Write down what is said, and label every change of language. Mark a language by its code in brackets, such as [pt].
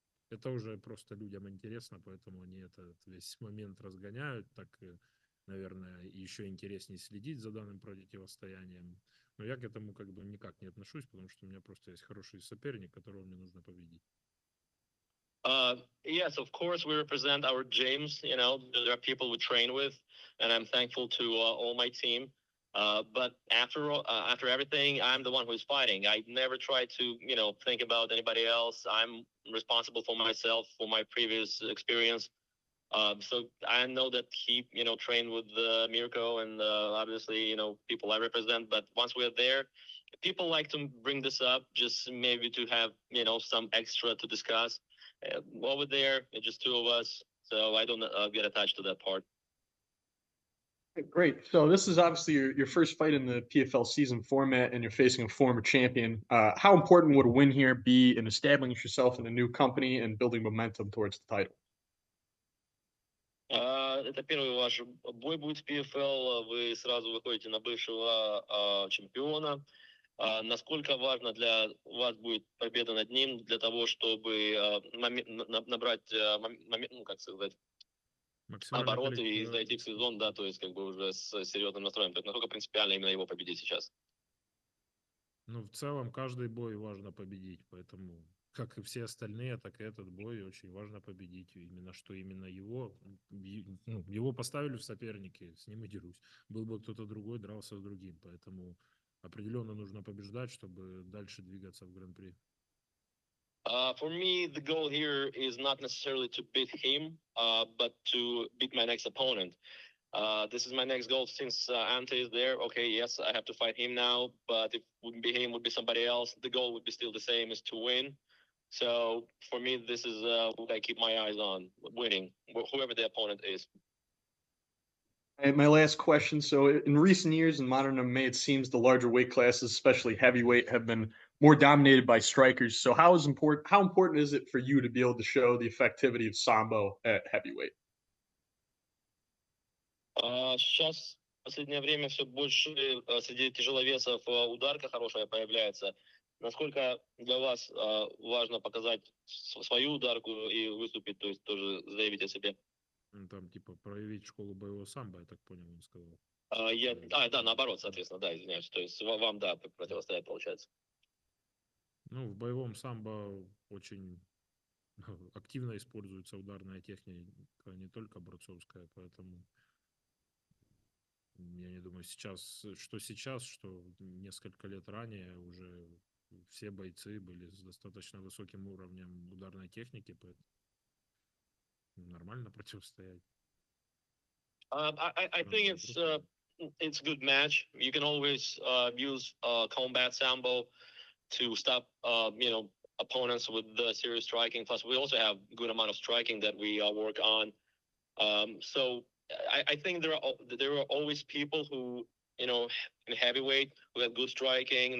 [ru] Это уже просто людям интересно, поэтому они этот весь момент разгоняют. Так, наверное, еще интереснее следить за данным противостоянием. Но я к этому как бы никак не отношусь, потому что у меня просто есть хороший соперник, которого мне нужно победить. [en] Yes, of course, we represent our gyms, you know, there are people we train with, and I'm thankful to all my team. But after everything, I'm the one who's fighting. I never try to, you know, think about anybody else. I'm responsible for myself, for my previous experience. So I know that he, you know, trained with Mirko and obviously, you know, people I represent. But once we're there, people like to bring this up just maybe to have, you know, some extra to discuss. Over there, it's just two of us, so I don't get attached to that part. Great. So this is obviously your first fight in the PFL season format, and you're facing a former champion. How important would a win here be in establishing yourself in a new company and building momentum towards the title? [ru] Это первый ваш бой будет в PFL. Вы сразу выходите на бывшего чемпиона. Насколько важно для вас будет победа над ним для того, чтобы набрать, ну, как сказать, обороты и зайти в сезон, да, то есть как бы уже с серьезным настроем. То есть насколько принципиально именно его победить сейчас? Ну, в целом, каждый бой важно победить, поэтому, как и все остальные, так и этот бой очень важно победить. Именно что именно его, ну, его поставили в соперники, с ним и дерусь. Был бы кто-то другой, дрался с другим, поэтому определенно нужно побеждать, чтобы дальше двигаться в гран-при. [en] For me, the goal here is not necessarily to beat him, but to beat my next opponent. This is my next goal since Ante is there. Okay, yes, I have to fight him now, but if it wouldn't be him, it would be somebody else. The goal would be still the same, is to win. So for me, this is what I keep my eyes on, winning, whoever the opponent is. My last question. So in recent years in modern MMA, it seems the larger weight classes, especially heavyweight, have been more dominated by strikers. So how important is it for you to be able to show the effectivity of Sambo at heavyweight? [ru] Сейчас в последнее время все больше среди тяжеловесов ударка хорошая появляется. Насколько для вас важно показать свою ударку и выступить, то есть тоже заявить о себе? Там типа проявить школу боевого самбо, я так понял, он сказал. Да, наоборот, соответственно, да, извиняюсь. То есть вам, да, противостоять получается. Ну, в боевом самбо очень активно используется ударная техника, не только борцовская, поэтому... Я не думаю, сейчас, что несколько лет ранее уже все бойцы были с достаточно высоким уровнем ударной техники, поэтому нормально противостоять. [en] I think it's a good match. You can always use combat sambo to stop opponents with the serious striking. Plus, we also have good amount of striking that we work on. I think there are always people who, you know, in heavyweight who have good striking.